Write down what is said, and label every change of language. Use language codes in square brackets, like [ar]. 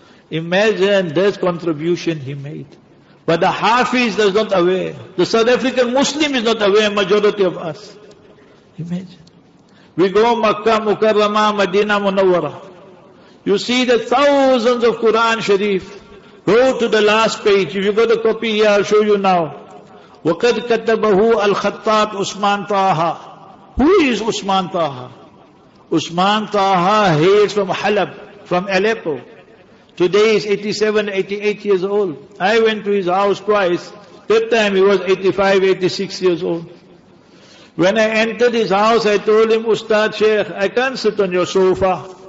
[en] Imagine this contribution he made. But the Hafiz is not aware. The South African Muslim is not aware, majority of us. Imagine. We go Makkah, Mukarrama, Madinah, Munawwara. You see the thousands of Quran Sharif. Go to the last page. If you got a copy here, I'll show you now. [ar] وَقَدْ كَتَبَهُ الْخَطَّاطُ Usman Taha. [en] Who is Usman Taha? Usman Taha hails from Halab, from Aleppo. Today he's 87, 88 years old. I went to his house twice. That time he was 85, 86 years old. When I entered his house, I told him, Ustad Sheikh, I can't sit on your sofa.